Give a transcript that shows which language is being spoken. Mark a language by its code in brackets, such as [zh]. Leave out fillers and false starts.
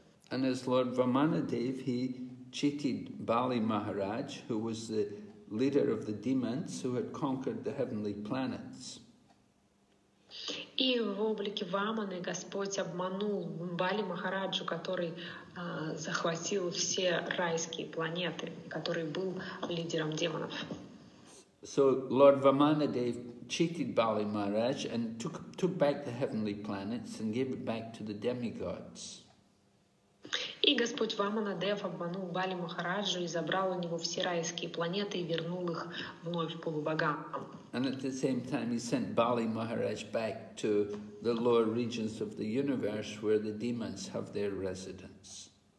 [en] And as Lord Vamanadev, he cheated Bali Maharaj, who was the leader of the demons who had conquered the heavenly planets. [ru] И в облике Ваманы Господь обманул Бали Махараджу, который захватил все райские планеты, который был лидером демонов. [en] So Lord Vamanadev cheated Bali Maharaj and took back the heavenly planets and gave it back to the demigods. [ru] И Господь Ваманадев обманул Бали Махараджу и забрал у него все райские планеты и вернул их вновь полубогам. [en] And at the same time, he sent Bali Maharaj back to the lower regions of the universe, where the demons have their residence.